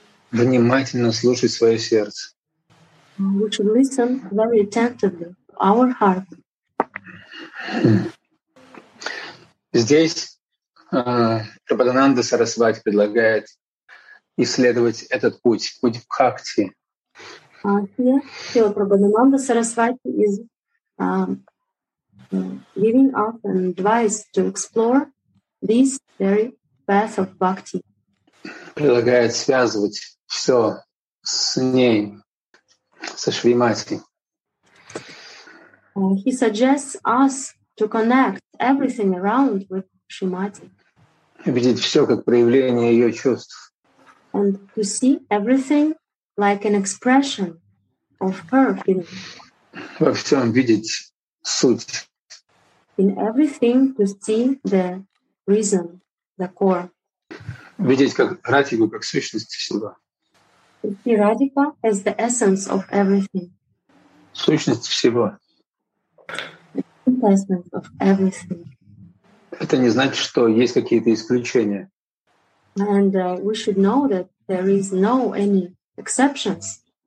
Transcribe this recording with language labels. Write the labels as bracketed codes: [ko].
[ru] Внимательно слушать свое сердце. [en] We should listen very attentively to our heart. [ru] Здесь Прабхананда Сарасвати предлагает исследовать этот путь, путь бхакти. [en] Here, Прабхананда Сарасвати is giving us an advice to explore this very path of bhakti. [ru] Предлагает связывать все с ней, со Шримати. [en] He suggests us to connect everything around with Шримати. [ru] Видеть все как проявление ее чувств. [en] And to see everything like an expression of her feeling. [ru] Во всем видеть суть. [en] In everything to see the reason, the core. [ru] Видеть как Радику, как сущность всего. [en] To see Radhika as the essence of everything. [ru] Сущность всего. [en] The essence of everything. [ru] Это не значит, что есть какие-то исключения. [en] And we should know that there is no any exceptions.